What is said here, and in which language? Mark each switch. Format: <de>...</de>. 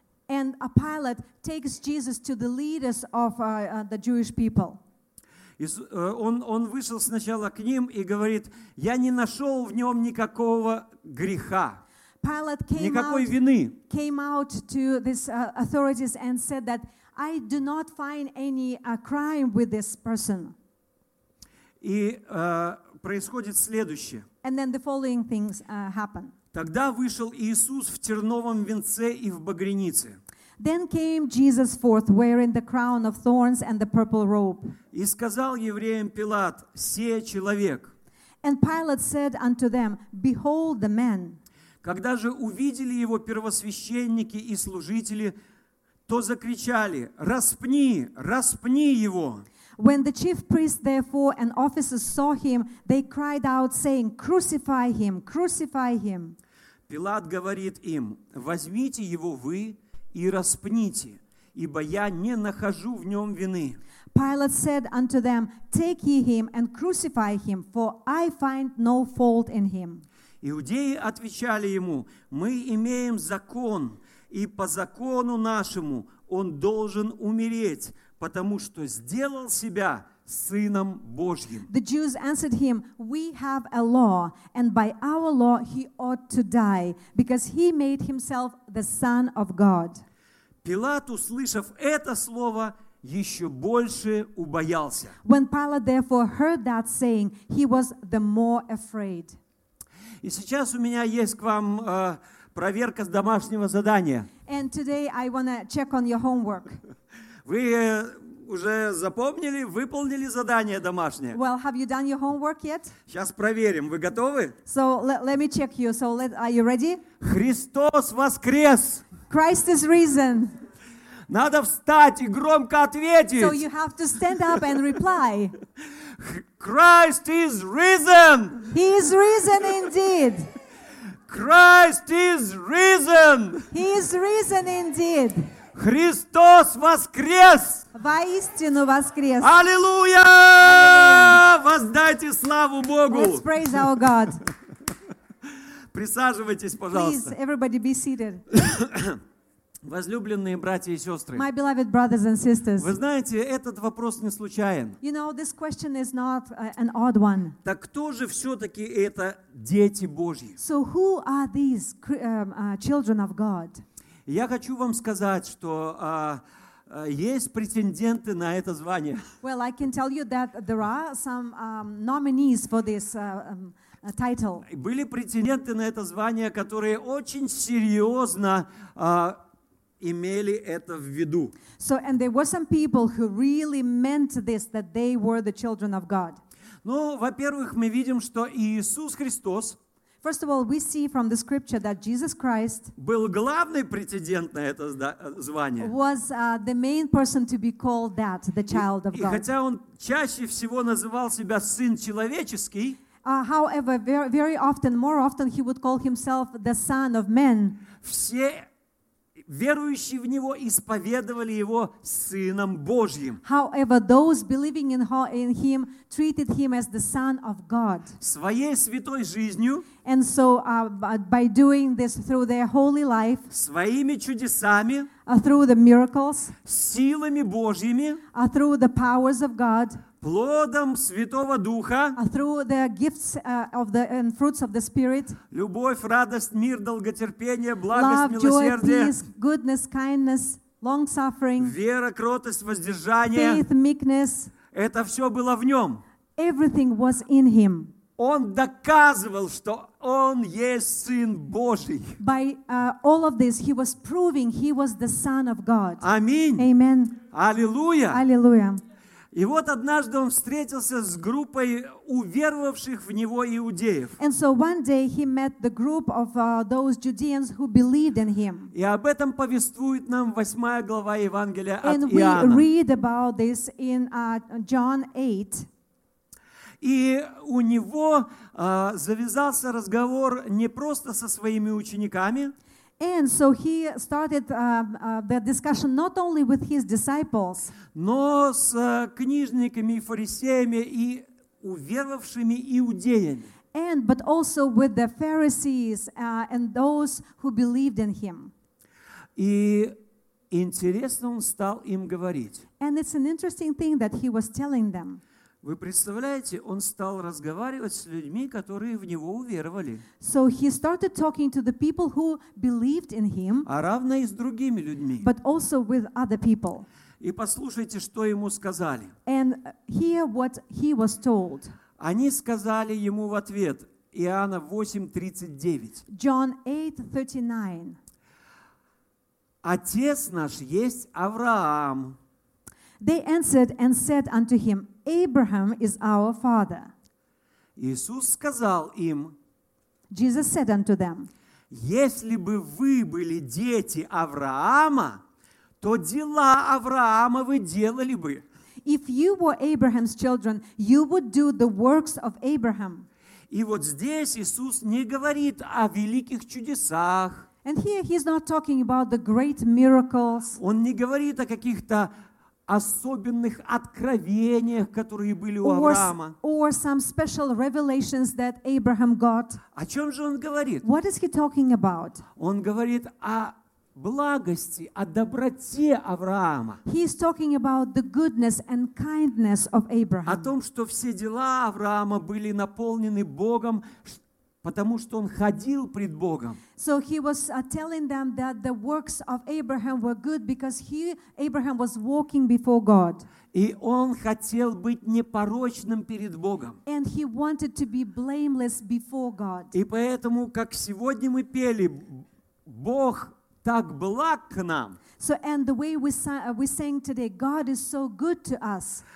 <en>And a pilot takes Jesus to the leaders of the Jewish people.</en> <ru>Он вышел сначала к ним и говорит: я не нашел в нем никакого греха,</ru> <en>Pilate came</en> <ru>никакой</ru> <en>out,</en> <ru>вины.</ru> <en>Came out to these authorities and said that I do not find any crime with this person.</en> <ru>И происходит следующее.</ru> <en>And then the following things happen.</en> <ru>Тогда вышел Иисус в терновом венце и в багрянице.</ru> <en>Then came Jesus forth, wearing the crown of thorns and the purple robe.</en> <ru>И сказал евреям Пилат: «Се человек».</ru> <en>And Pilate said unto them, Behold the man.</en> <ru>Когда же увидели его первосвященники и служители, то закричали: «Распни! Распни его!»</ru> <en>When the chief priests, therefore, and officers saw him, they cried out, saying, Crucify him! Crucify him!</en> <ru>Пилат говорит им: «Возьмите его вы и распните, ибо я не нахожу в нем вины».</ru> <en>Pilate said unto them, Take ye him and crucify him, for I find no fault in him.</en> <ru>Иудеи отвечали ему: Мы имеем закон, и по закону нашему он должен умереть, потому что сделал себя сыном Божьим.</ru> <en>The Jews answered him, We have a law, and by our law he ought to die, because he made himself the son of God.</en> <ru>Пилат, услышав это слово, еще больше убоялся.</ru> <en>When Pilate therefore heard that saying, he was the more afraid.</en> <ru>И сейчас у меня есть к вам проверка с домашнего задания.</ru> <en>And today I want to check on your homework.</en> <ru>Вы уже запомнили, выполнили задание домашнее?</ru> <en>Well, have you done your homework yet?</en> <ru>Сейчас проверим. Вы готовы?</ru> <en>So let me check you. So are you ready?</en> <ru>Христос воскрес!</ru> <en>Christ is risen! Надо встать и громко ответить. So you have to stand up and reply. Christ is risen. He is risen indeed. Christ is risen. He is risen indeed.</en> <ru>Христос воскрес. Воистину воскрес. Аллилуйя! Воздайте славу Богу.</ru> <en>Let's praise our God.</en> <ru>Присаживайтесь, пожалуйста.</ru> <en>Please, everybody be seated.</en> <ru>Возлюбленные братья и сестры,</ru> <en>My beloved brothers and sisters,</en> <ru>вы знаете, этот вопрос не случайен.</ru> <en>You know, this question is not an odd one.</en> <ru>Так кто же все-таки это дети Божьи?</ru> <en>So who are these children of God?</en> <ru>Я хочу вам сказать, что есть претенденты на это звание.</ru> <en>Well, I can tell you that there are some nominees for this title.</en> <ru>Были претенденты на это звание, которые очень серьезно имели это в виду.</ru> <en>So, and there were some people who really meant this, that they were the children of God.</en> <ru>Ну, во-первых, мы видим, что Иисус Христос,</ru> <en>first of all, we see from the scripture that Jesus Christ</en> <ru>был главный претендент на это звание.</ru> <en>Was the main person to be called that, the child of God.</en> <ru>И хотя он чаще всего называл себя сын человеческий,</ru> <en>however, very often, more often, he would call himself the son of man.</en> <ru>Все верующие в него исповедовали его сыном Божьим.</ru> <en>However, those believing in him treated him as the son of God.</en> <ru>Своей святой жизнью.</ru> <en>And so by doing this through their holy life.</en> <ru>Своими чудесами.</ru> <en>Through the miracles.</en> <ru>Силами Божьими.</ru> <en>Through the powers of God.</en> <ru>Плодом Святого Духа,</ru> <en>through the gifts of the and fruits of the Spirit,</en> <ru>любовь, радость, мир, долготерпение, благость, милосердие,</ru> <en>love, joy, peace, goodness, kindness, long suffering,</en> <ru>вера, кротость, воздержание,</ru> <en>faith, meekness,</en> <ru>это все было в нем.</ru> <en>Everything was in him.</en> <ru>Он доказывал, что он есть сын Божий.</ru> <en>By all of this, he was proving he was the son of God.</en> <ru>Аминь.</ru> <en>Amen.</en> <ru>Аллилуйя. Аллилуйя. И вот однажды он встретился с группой уверовавших в него иудеев.</ru> <en>And so one day he met the group of those Judeans who believed in him.</en> <ru>И об этом повествует нам 8 глава Евангелия от Иоанна.</ru> <en>And we read about this in John 8.</en> <ru>И у него завязался разговор не просто со своими учениками.</ru> <en>And so he started the discussion not only with his disciples,</en> <ru>но с книжниками, фарисеями и уверовавшими иудеями.</ru> <en>And but also with the Pharisees and those who believed in him.</en> <ru>И интересно он стал им говорить.</ru> <en>And it's an interesting thing that he was telling them.</en> <ru>Вы представляете, он стал разговаривать с людьми, которые в него уверовали.</ru> <en>So he started talking to the people who believed in him.</en> <ru>А равно и с другими людьми.</ru> <en>But also with other people.</en> <ru>И послушайте, что ему сказали.</ru> <en>And hear what he was told.</en> <ru>Они сказали ему в ответ, Иоанна 8:39.</ru> <en>John 8:39.</en> <ru>Отец наш есть Авраам.</ru> <en>They answered and said unto him, Abraham is our father.</en> <ru>Иисус сказал им,</ru> <en>Jesus said unto them,</en> <ru>если бы вы были дети Авраама, то дела Авраама вы делали бы.</ru> <en>If you were Abraham's children, you would do the works of Abraham.</en> <ru>И вот здесь Иисус не говорит о великих чудесах.</ru> <en>And here he's not talking about the great miracles.</en> <ru>Он не говорит о каких-то особенных откровениях, которые были у Авраама.</ru> <en>Or some special revelations that Abraham got.</en> <ru>О чем же он говорит?</ru> <en>What is he talking about?</en> <ru>Он говорит о благости, о доброте Авраама.</ru> <en>He is talking about the goodness and kindness of Abraham.</en> <ru>О том, что все дела Авраама были наполнены Богом, потому что он ходил пред Богом.</ru> <en>So he was telling them that the works of Abraham were good because he, Abraham, was walking before God.</en> <ru>И он хотел быть непорочным перед Богом.</ru> <en>And he wanted to be blameless before God.</en> <ru>И поэтому, как сегодня мы пели, Бог так благ к нам.</ru> <en>So and the way we sang today, God is so good to us.</en>